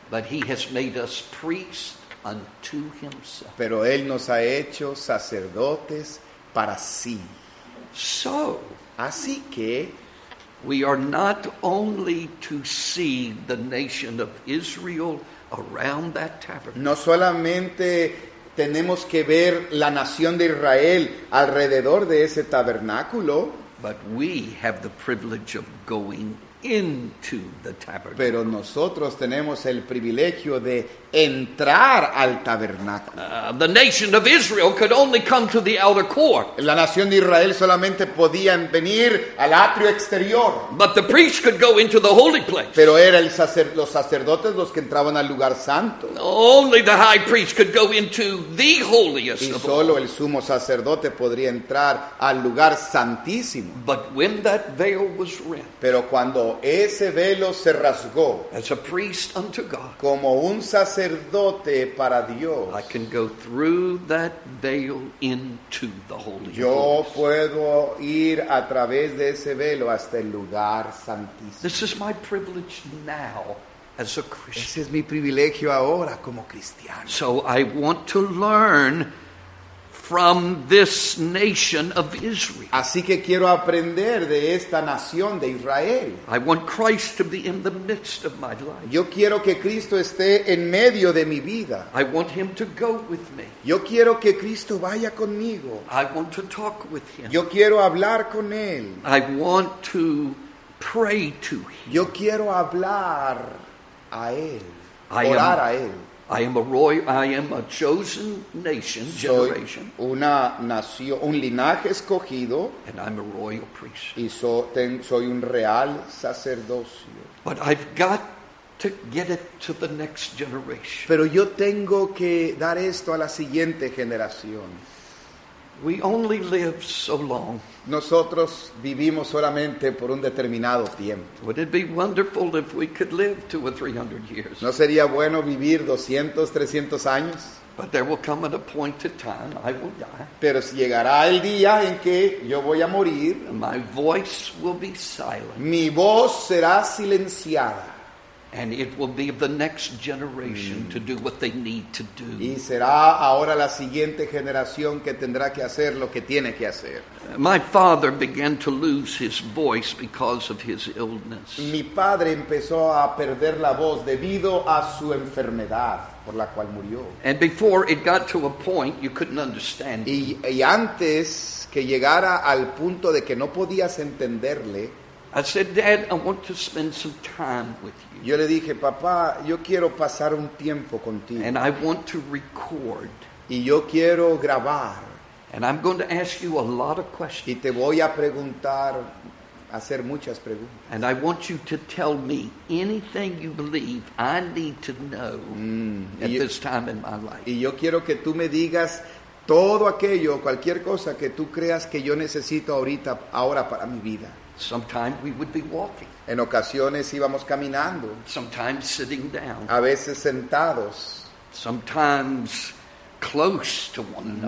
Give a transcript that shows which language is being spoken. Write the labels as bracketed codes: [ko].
[en] But he has made us priests unto himself. [es] Pero él nos ha hecho sacerdotes para sí. [en] So, [es] así que [en] we are not only to see the nation of Israel around that tabernacle. [es] No solamente tenemos que ver la nación de Israel alrededor de ese tabernáculo, [en] but we have the privilege of going into the tabernacle. [es] Pero nosotros tenemos el privilegio de entrar al tabernáculo. [en] The nation of Israel could only come to the outer court. [es] La nación de Israel solamente podían venir al atrio exterior. [en] But the priest could go into the holy place. [es] Pero era el los sacerdotes los que entraban al lugar santo. [en] Only the high priest could go into the holiest. [es] Y solo el sumo sacerdote podría entrar al lugar santísimo. [en] But when that veil was rent. [es] Pero cuando ese velo se rasgó. [en] As a priest unto God. [es] Como un sacerdote para Dios. [en] I can go through that veil into the Holy [es] Yo puedo ir a través de ese velo hasta el lugar santísimo. [en] This is my privilege now as a Christian. [es] Ese es mi privilegio ahora como cristiano. [en] So I want to learn from this nation of Israel. [es] Así que quiero aprender de esta nación de Israel. [en] I want Christ to be in the midst of my life. [es] Yo quiero que Cristo esté en medio de mi vida. [en] I want him to go with me. [es] Yo quiero que Cristo vaya conmigo. [en] I want to talk with him. [es] Yo quiero hablar con él. [en] I want to pray to him. [es] Yo quiero hablar a él. Orar a él. [en] I am a chosen nation, generation. [es] Soy una nación, un linaje escogido. [en] And I'm a royal priest. [es] Y soy un real sacerdocio. [en] But I've got to get it to the next generation. [es] Pero yo tengo que dar esto a la siguiente generación. [en] We only live so long. [es] Nosotros vivimos solamente por un determinado tiempo. [en] Would it be wonderful if we could live 200 or 300 years? [es] ¿No sería bueno vivir 200, 300 años? [en] But there will come an appointed time I will die. [es] Pero si llegará el día en que yo voy a morir, [en] my voice will be silent. [es] Mi voz será silenciada. [en] And it will be the next generation to do what they need to do. [es] Y será ahora la siguiente generación que tendrá que hacer lo que tiene que hacer. [en] My father began to lose his voice because of his illness. [es] Mi padre empezó a perder la voz debido a su enfermedad por la cual murió. [en] And before it got to a point you couldn't understand. [es] Y antes que llegara al punto de que no podías entenderle, [en] I said, Dad, I want to spend some time with you. [es] Yo le dije, papá, yo quiero pasar un tiempo contigo. [en] And I want to record. [es] Y yo quiero grabar. [en] And I'm going to ask you a lot of questions. [es] Y te voy a preguntar, hacer muchas preguntas. [en] And I want you to tell me anything you believe I need to know at this time in my life. [es] Y yo quiero que tú me digas todo aquello, cualquier cosa que tú creas que yo necesito ahora para mi vida. [en] Sometimes we would be walking. [es] En ocasiones íbamos caminando. [en] Sometimes sitting down. [es] A veces sentados. [en] Sometimes close to one another.